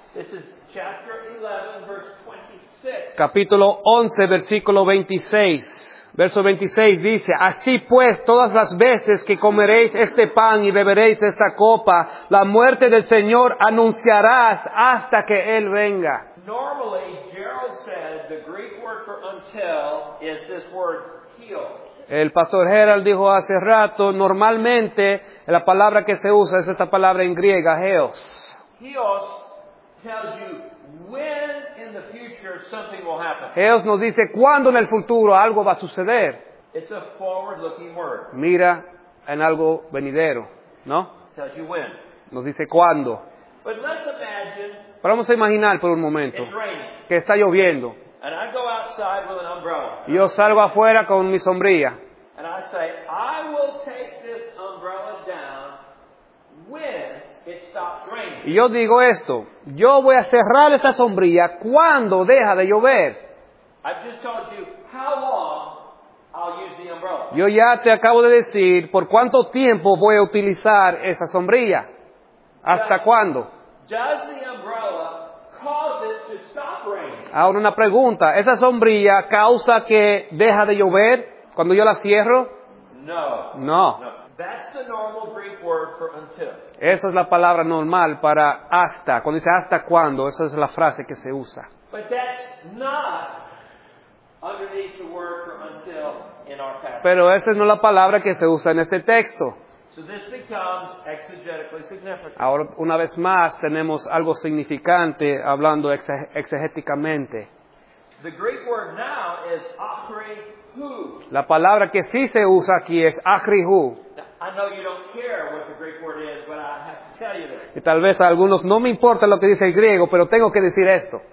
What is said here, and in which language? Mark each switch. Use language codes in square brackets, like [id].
[en] This is chapter 11, verse 26. [es] Capítulo 11, versículo 26. Verso 26 dice, así pues, todas las veces que comeréis este pan y beberéis esta copa, la muerte del Señor anunciarás hasta que Él venga. [en] Normally, Gerald said the Greek word for until is this word, heal. [es] El pastor Gerald dijo hace rato, normalmente la palabra que se usa es esta palabra en griega, heos. [en] Heos tells you when in the future something will happen. [es] Heos nos dice cuándo en el futuro algo va a suceder. [en] It's a forward-looking word. [es] Mira en algo venidero, ¿no? [en] Tells you when. [es] Nos dice cuándo. [en] But let's imagine. [es] Pero vamos a imaginar por un momento que está lloviendo. [en] And I go outside with an umbrella. [es] Yo salgo afuera con mi sombrilla. [en] And I say, I will take this umbrella down when it stops raining. [es] Y yo digo esto, yo voy a cerrar esta sombrilla cuando deja de llover. [en] I've just told you how long I'll use the umbrella. [es] Yo ya te acabo de decir por cuánto tiempo voy a utilizar esa sombrilla. ¿Hasta cuándo? [en] Does the umbrella cause it to stop raining? [es] Ahora una pregunta, ¿esa sombrilla causa que deja de llover cuando yo la cierro? [en] No. [es] No. [en] That's the normal Greek word for until. [es] Esa es la palabra normal para hasta. Cuando dice hasta cuándo, esa es la frase que se usa. [en] But that's not underneath the word for until in our passage. [es] Pero esa no es la palabra que se usa en este texto. [en] So this becomes exegetically significant. [es] Ahora, una vez más, tenemos algo significante hablando exegéticamente. [en] The Greek word now is akrihu. [es] La palabra que sí se usa aquí es akrihu. [en] I know you don't care what the Greek word is, but I have to tell you this. [es] Y tal vez a algunos no me importa lo que dice el griego, pero tengo que decir esto.